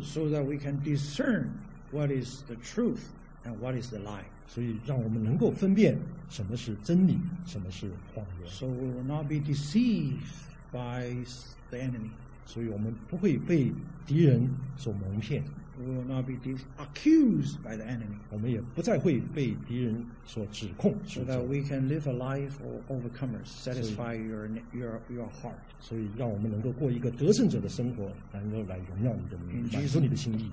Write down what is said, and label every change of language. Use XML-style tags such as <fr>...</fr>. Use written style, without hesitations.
<en>，so that we can discern what is the truth and what is the lie。</en> <zh>所以让我们能够分辨什么是真理，什么是谎言。</zh> <en>So we will not be deceived by the enemy。</en> <zh>所以我们不会被敌人所蒙骗。</zh> <en>We will not be accused by the enemy。</en> <zh>我们也不再会被敌人所指控。</zh> <en>So that we can live a life of overcomers, satisfy your heart。</en> <zh>所以让我们能够过一个得胜者的生活，能够来荣耀你的名，满足你的心意。</zh>